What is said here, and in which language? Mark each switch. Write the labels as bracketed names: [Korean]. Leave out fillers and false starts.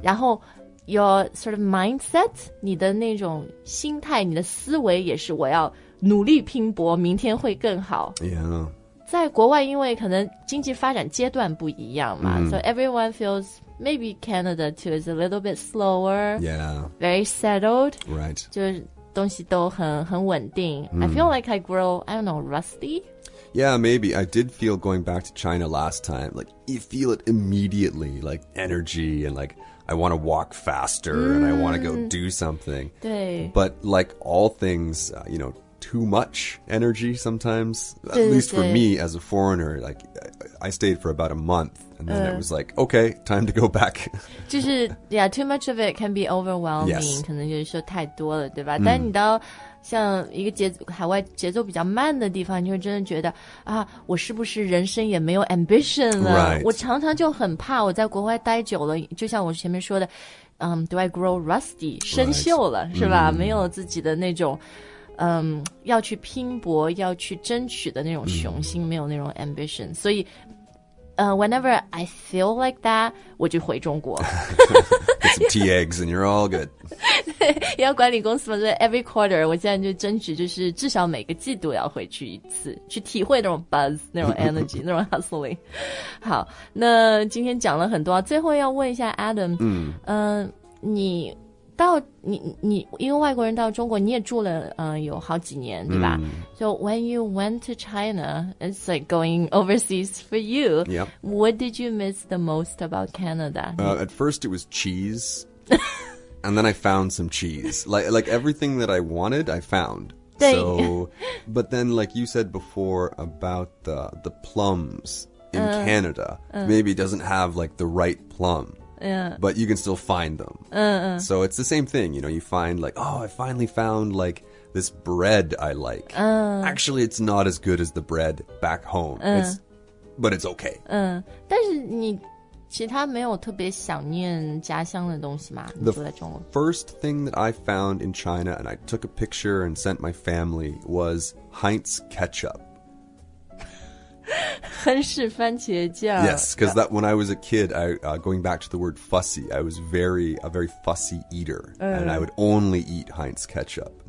[Chinese] 然后 [English] your sort of mindset, [Chinese] 你的那种心态你的思维也是我要努力拼搏明天会更好。 [English] Yeah. [Chinese] 在国外因为可能经济发展阶段不一样嘛、 mm. [English] So everyone feels maybe Canada too is a little bit slower. Yeah. Very settled. Right. [Chinese] 就是东西都很稳定、mm. [English] I feel like I grow, I don't know, rusty? Yeah, maybe. I did feel going back to China last time. Like, you feel it immediately. Like, energy and like, I want to walk faster、mm. and I want to go do something. [Chinese] 对 [English] But like all things,、you know,too much energy sometimes, at least for me as a foreigner, like I stayed for about a month and then、it was like, okay, time to go back. 就是 yeah, too much of it can be overwhelming,、 yes. [Chinese] 可能就是说太多了对吧、mm. 但你到像一个海外节奏比较慢的地方你就真的觉得啊，我是不是人生也没有 ambition 了、 [English] right. [Chinese] 我常常就很怕我在国外待久了就像我前面说的、 [English] do I grow rusty, [Chinese] 生锈了、 [English] right. [Chinese] 是吧、mm. 没有自己的那种要去拼搏要去争取的那种雄心、mm. 没有那种 ambition 所以、 [English] whenever I feel like that [Chinese] 我就回中国 [English] get some tea eggs and you're all good [Chinese] 对要管理公司嘛所以 [English] every quarter [Chinese] 我现在就争取就是至少每个季度要回去一次去体会那种 buzz 那种 energy 那种 hustling 好那今天讲了很多最后要问一下 Adam、 mm. 你到你一个外国人到中国你也住了有好几年对吧、 mm. [English] So when you went to China it's like going overseas for you、 yep. What did you miss the most about Canada?、 at first it was cheese and then I found some cheese like everything that I wanted I found so but then like you said before about the plums in Canada maybe it doesn't have like the right plum Yeah. But you can still find them. So it's the same thing, you know, you find like, oh, I finally found like this bread I like. Actually, it's not as good as the bread back home. But it's okay. [Chinese] 但是你其他没有特别想念家乡的东西吗？ [English] The first thing that I found in China and I took a picture and sent my family was Heinz ketchup. [Chinese] 亨氏番茄酱 [English] Yes, because that when I was a kid, I,、going back to the word fussy, I was a very fussy eater,、and I would only eat Heinz ketchup.